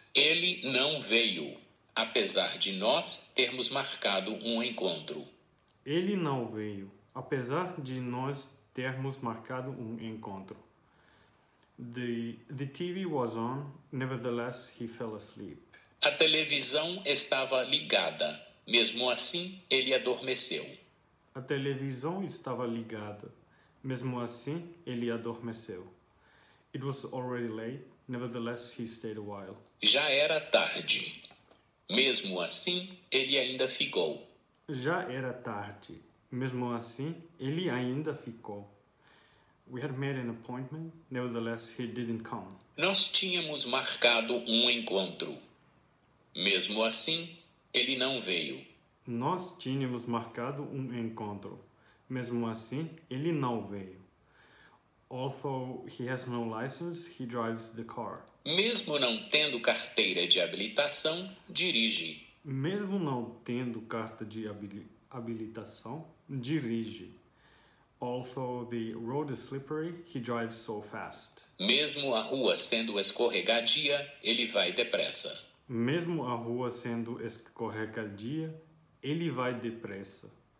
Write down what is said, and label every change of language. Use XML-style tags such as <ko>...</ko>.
<pt>Ele não veio, apesar de nós termos marcado um encontro. Ele não veio, apesar de nós termos marcado um encontro.</pt> <en>The TV was on, nevertheless he fell asleep.</en> <pt>A televisão estava ligada, mesmo assim ele adormeceu. A televisão estava ligada, mesmo assim ele adormeceu.</pt> <en>It was already late, nevertheless he stayed a while.</en> <pt>Já era tarde, mesmo assim ele ainda ficou. Já era tarde, mesmo assim ele ainda ficou.</pt> <en>We had made an appointment, nevertheless he didn't come.</en> <pt>Nós tínhamos marcado um encontro, mesmo assim ele não veio. Nós tínhamos marcado um encontro, mesmo assim ele não veio.</pt> <en>Although he has no license, he drives the car.</en> <pt>Mesmo não tendo carteira de habilitação, dirige. Mesmo não tendo carta de habilitação, dirige.</pt> <en>Although the road is slippery, he drives so fast.</en> <pt>Mesmo a rua sendo escorregadia, ele vai depressa. Mesmo a rua sendo escorregadia, ele vai depressa.</pt>